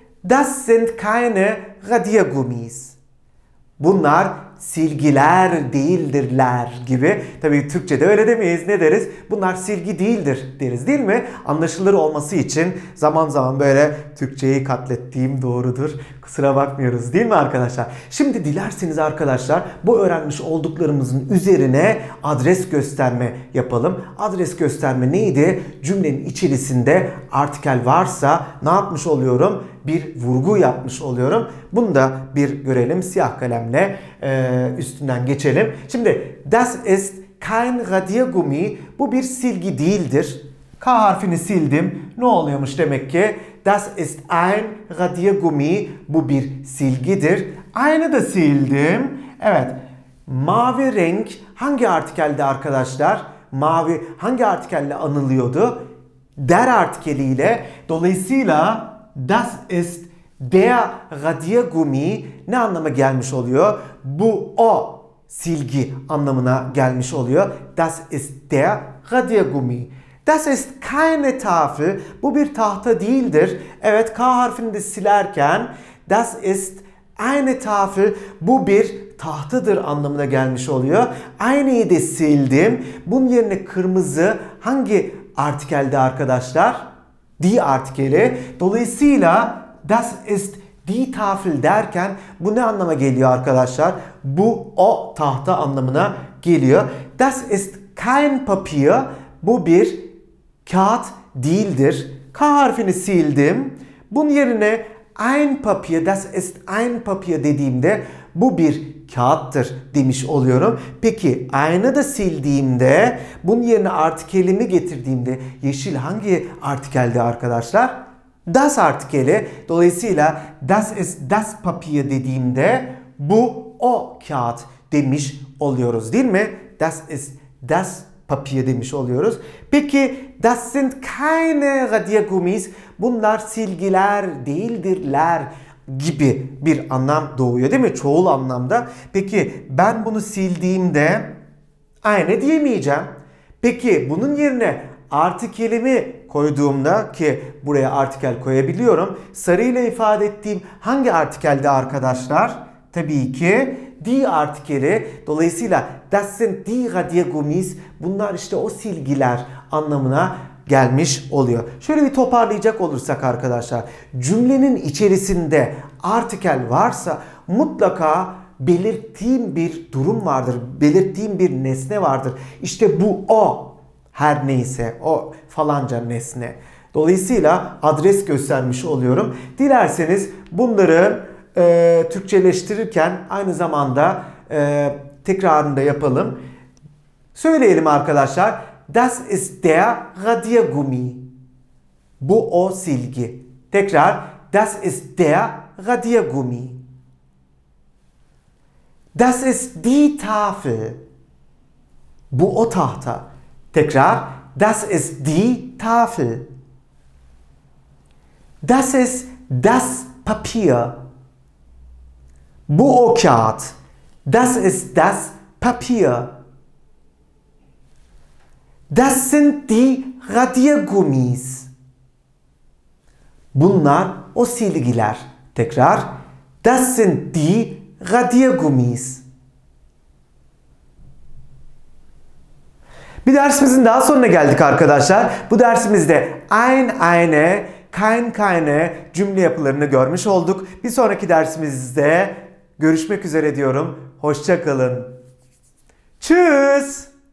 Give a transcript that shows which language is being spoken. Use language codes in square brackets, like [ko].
[de] Das sind keine Radiergummis. [tr] Bunlar silgiler değildirler gibi. Tabii Türkçe'de öyle demeyiz. Ne deriz? Bunlar silgi değildir deriz, değil mi? Anlaşılır olması için zaman zaman böyle Türkçeyi katlettiğim doğrudur. Kusura bakmıyoruz, değil mi arkadaşlar? Şimdi dilerseniz arkadaşlar bu öğrenmiş olduklarımızın üzerine adres gösterme yapalım. Adres gösterme neydi? Cümlenin içerisinde artikel varsa ne yapmış oluyorum? Bir vurgu yapmış oluyorum. Bunu da bir görelim. Siyah kalemle üstünden geçelim. Şimdi [de] das ist kein Radiergummi. [tr] Bu bir silgi değildir. K harfini sildim. Ne oluyormuş demek ki? [de] Das ist ein Radiergummi. [tr] Bu bir silgidir. Aynı da sildim. Evet. Mavi renk hangi artikelde arkadaşlar? Mavi hangi artikelle anılıyordu? Der artikeliyle. Dolayısıyla [de] das ist der Radiergummi [tr] ne anlama gelmiş oluyor? Bu o silgi anlamına gelmiş oluyor. [de] Das ist der Radiergummi. Das ist keine Tafel. [tr] Bu bir tahta değildir. Evet, K harfini de silerken [de] das ist eine Tafel. [tr] Bu bir tahtadır anlamına gelmiş oluyor. Aynıyı de sildim. Bunun yerine kırmızı hangi artikelde arkadaşlar? Die artikeli. Dolayısıyla [de] das ist die Tafel [tr] derken bu ne anlama geliyor arkadaşlar? Bu o tahta anlamına geliyor. [de] Das ist kein Papier. [tr] Bu bir kağıt değildir. K harfini sildim. Bunun yerine ein Papier, [de] das ist ein Papier [tr] dediğimde bu bir kağıttır demiş oluyorum. Peki aynı da sildiğimde, bunun yerine artikelimi getirdiğimde yeşil hangi artikeldi arkadaşlar? das artikeli. Dolayısıyla [de] das ist das Papier [tr] dediğimde bu o kağıt demiş oluyoruz, değil mi? [de] Das ist das Papier [tr] demiş oluyoruz. Peki [de] das sind keine Radiergummis, [tr] bunlar silgiler değildirler gibi bir anlam doğuyor, değil mi? Çoğul anlamda. Peki ben bunu sildiğimde aynı diyemeyeceğim. Peki bunun yerine artikelimi koyduğumda, ki buraya artikel koyabiliyorum, sarıyla ifade ettiğim hangi artikeldi arkadaşlar? Tabii ki die artikeli. Dolayısıyla [de] das sind die Radiergummis, [tr] bunlar işte o silgiler anlamına gelmiş oluyor. Şöyle bir toparlayacak olursak arkadaşlar, cümlenin içerisinde artikel varsa mutlaka belirttiğim bir durum vardır, belirttiğim bir nesne vardır. İşte bu o her neyse, o falanca nesne. Dolayısıyla adres göstermiş oluyorum. Dilerseniz bunları Türkçeleştirirken aynı zamanda tekrarını da yapalım. Söyleyelim arkadaşlar. [de] Das ist der Radiergummi. [tr] Bu o silgi. Tekrar. [de] Das ist der Radiergummi. Das ist die Tafel. [tr] Bu o tahta. Tekrar. [de] Das ist die Tafel. Das ist das Papier. [tr] Bu o kağıt. [de] Das ist das Papier. Das sind die Radiergummis. [tr] Bunlar o silgiler. Tekrar. [de] Das sind die Radiergummis. [tr] Bir dersimizin daha sonuna geldik arkadaşlar. Bu dersimizde ein eine, kein keine cümle yapılarını görmüş olduk. Bir sonraki dersimizde görüşmek üzere diyorum. Hoşça kalın. Tschüss.